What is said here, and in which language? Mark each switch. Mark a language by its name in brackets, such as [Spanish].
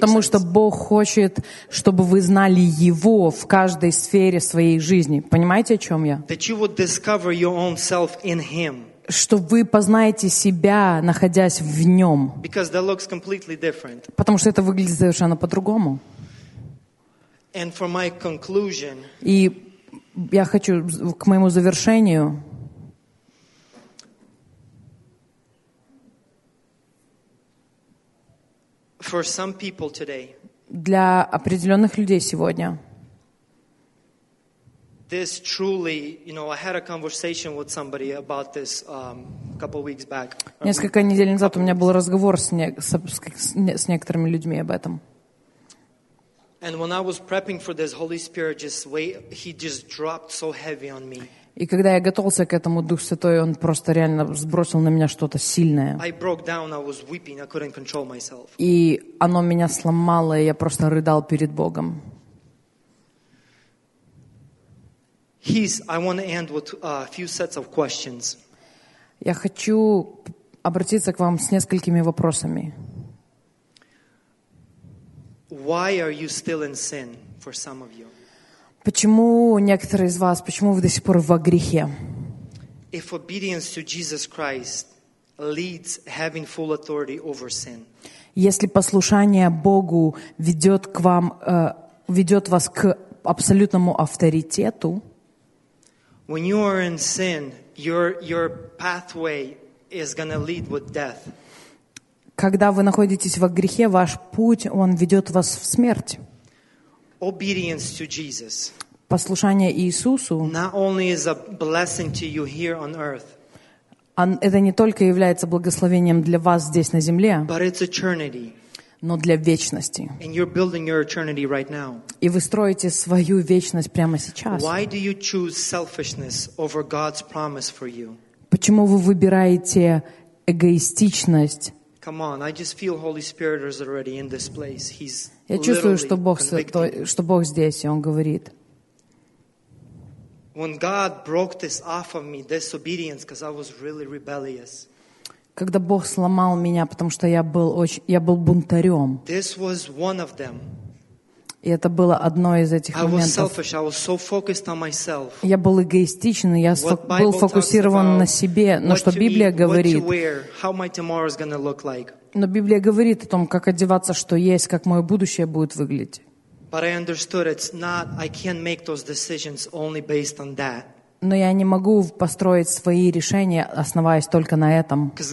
[Russian] Потому что Бог хочет, чтобы вы знали Его в каждой сфере своей жизни. Понимаете, о чем я? [English] That you would discover your own self in Him. [Russian] Что вы познаете себя, находясь в Нем. [English] Because that looks completely different. [Russian] Потому что это выглядит совершенно по-другому. [English] And for my conclusion. [Russian] И я хочу к моему завершению. [English] For some people today. [Russian] Для определенных людей сегодня. [English] This truly, you know, I had a conversation with somebody about this a couple weeks back. [Russian] Несколько недель назад у меня был разговор с некоторыми людьми об этом. [English] And when I was prepping for this, Holy Spirit just dropped so heavy on me. [Russian] И когда я готовился к этому, Дух Святой, Он просто реально сбросил на меня что-то сильное. [English] I broke down, I was weeping, I couldn't control myself. [Russian] И оно меня сломало, и я просто рыдал перед Богом. [English] I want to end with a few sets of questions. [Russian] Я хочу обратиться к вам с несколькими вопросами. [English] Why are you still in sin, for some of you? [Russian] Почему некоторые из вас, почему вы до сих пор во грехе? [English] If obedience to Jesus Christ leads having full authority over sin. [Russian] Если послушание Богу ведет к вам, ведет вас к абсолютному авторитету. [English] When you are in sin, your pathway is going to lead with death. [Russian] Когда вы находитесь во грехе, ваш путь, он ведет вас в смерть. [English] Obedience to Jesus. [Russian] Послушание Иисусу. [English] Not only is a blessing to you here on earth. [Russian] Это не только является благословением для вас здесь на земле. [English] But it's eternity. [Russian] Но для вечности. [English] And you're building your eternity right now. [Russian] И вы строите свою вечность прямо сейчас. [English] Why do you choose selfishness over God's promise for you? [Russian] Почему вы выбираете эгоистичность? [English] Come on, I just feel Holy Spirit is already in this place. He's [Russian] Я чувствую, что Бог, что Бог здесь, и Он говорит. [English] When God broke this off of me, this obedience, because I was really rebellious. [Russian] Когда Бог сломал меня, потому что я был бунтарем. [English] This was one of them. [Russian] И это было одно из этих моментов. [English] I was selfish. I was so focused on myself. [Russian] Я был эгоистичен, я был фокусирован на себе, но что Библия говорит? [English] What to wear, how my tomorrow is going to look like. [Russian] Но Библия говорит о том, как одеваться, что есть, как мое будущее будет выглядеть. [English] But I understood it's not. I can't make those decisions only based on that. [Russian] Но я не могу построить свои решения, основываясь только на этом.